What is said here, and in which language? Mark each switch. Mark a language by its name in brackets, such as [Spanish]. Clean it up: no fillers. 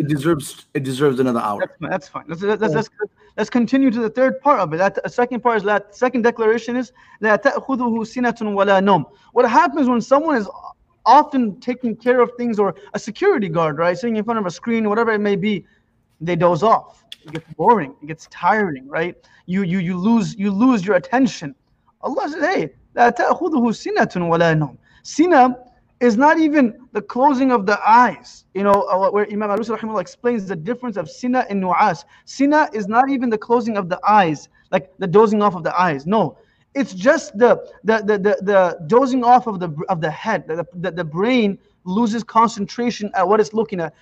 [English] It deserves another hour. That's fine. Let's continue to the third part of it. Second declaration is [Arabic] لَا تَأْخُذُهُ سِنَةٌ وَلَا نَوْمٌ. [English] What happens when someone is often taking care of things, or a security guard, right, sitting in front of a screen, whatever it may be, they doze off. It gets boring. It gets tiring, right? You lose your attention. Allah says, "Hey, [Arabic] لَا تَأْخُذُهُ سِنَةٌ وَلَا نَوْمٌ." [English] Sina is not even the closing of the eyes. You know where Imam Al-Rusul rahimahullah explains the difference of sina and nu'as. Sina is not even the closing of the eyes, like the dozing off of the eyes. No. It's just the dozing off of the head, the brain loses concentration at what it's looking at.